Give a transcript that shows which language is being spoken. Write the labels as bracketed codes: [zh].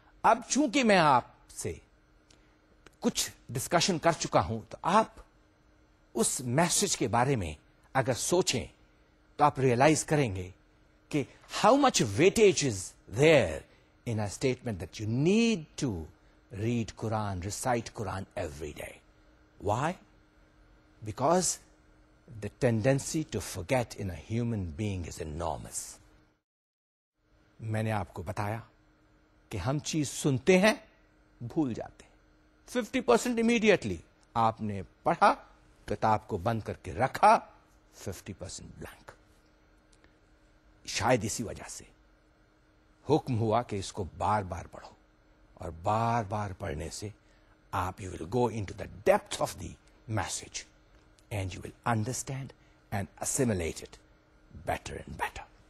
[ur] اب چونکہ میں آپ سے کچھ ڈسکشن کر چکا ہوں تو آپ اس میسج کے بارے میں اگر سوچیں تو آپ ریئلائز کریں گے کہ [en] How much weightage is there in a statement that you need to read قرآن, recite قرآن every day. Why? Because the tendency to forget in a human being is enormous. [ur] میں نے آپ کو بتایا کہ ہم چیز سنتے ہیں بھول جاتے ہیں 50% امیڈیٹلی. آپ نے پڑھا, کتاب کو بند کر کے رکھا, 50% بلینک. شاید اسی وجہ سے حکم ہوا کہ اس کو بار بار پڑھو, اور بار بار پڑھنے سے آپ [en] You will go into the depth of the message and you will understand and assimilate it better and better.